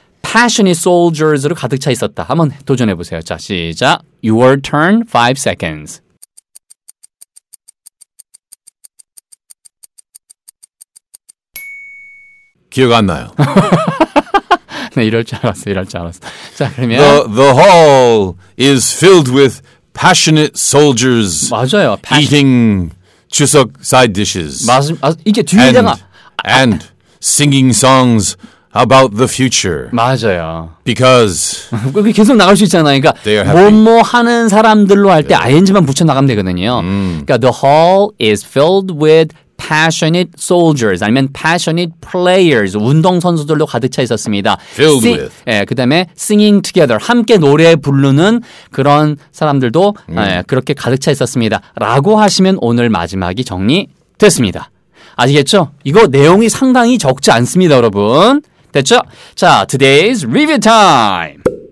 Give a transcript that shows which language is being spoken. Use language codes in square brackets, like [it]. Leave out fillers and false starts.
[en] Passionate soldiers [ko] 로 가득 차 있었다. 한번 도전해 보세요. 자, 시작. [en] Your turn, 5 seconds. [ko] (웃음) 안 나요. 네, 이럴 줄 알았어, 이럴 줄 알았어. 자, 그러면. [en] The hall is filled with passionate soldiers. [ko] 맞아요. [en] Eating 추석 side dishes. [ko] 맞습니다. 아, 이게 뒤에다가 [en] and singing songs about the future. [ko] 맞아요. [en] Because [ko] 계속 나갈 수 있잖아요. 그러니까 뭐뭐 하는 사람들로 할 때 ing만 붙여 나가면 되거든요. [en] 그러니까 the hall is filled with passionate soldiers, 아니면 passionate players, [ko] 운동 선수들로 가득 차 있었습니다. [en] Filled with. [ko] 예, 그 다음에 [en] singing together, [ko] 함께 노래 부르는 그런 사람들도 예, 그렇게 가득 차 있었습니다. 라고 하시면 오늘 마지막이 정리 됐습니다. 아시겠죠? 이거 내용이 상당히 적지 않습니다, 여러분. 됐죠? 자, [en] today's review time.